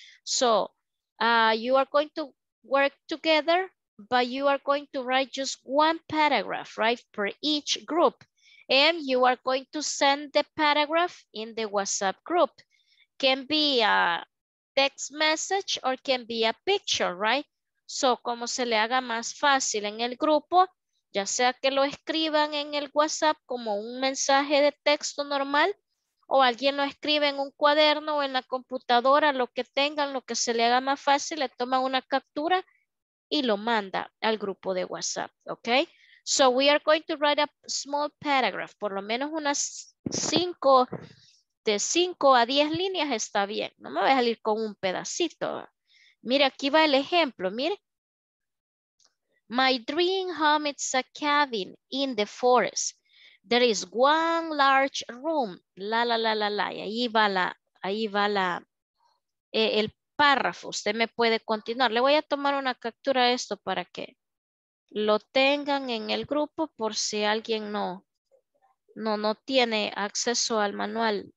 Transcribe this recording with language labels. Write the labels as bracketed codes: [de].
[en] So you are going to work together, but you are going to write just one paragraph, right, per each group. And you are going to send the paragraph in the WhatsApp group. Can be a text message or can be a picture, right? [es] So como se le haga más fácil en el grupo, ya sea que lo escriban en el WhatsApp como un mensaje de texto normal o alguien lo escribe en un cuaderno o en la computadora, lo que tengan, lo que se le haga más fácil, le toma una captura y lo manda al grupo de WhatsApp, ¿ok? [en] So we are going to write a small paragraph, [es] por lo menos unas cinco a diez líneas está bien. No me voy a salir con un pedacito. Mire, aquí va el ejemplo, mire. [en] My dream home is a cabin in the forest. There is one large room. [es] La, la, la, la, la. Y ahí va el párrafo. Usted me puede continuar. Le voy a tomar una captura a esto para que lo tengan en el grupo por si alguien no tiene acceso al manual.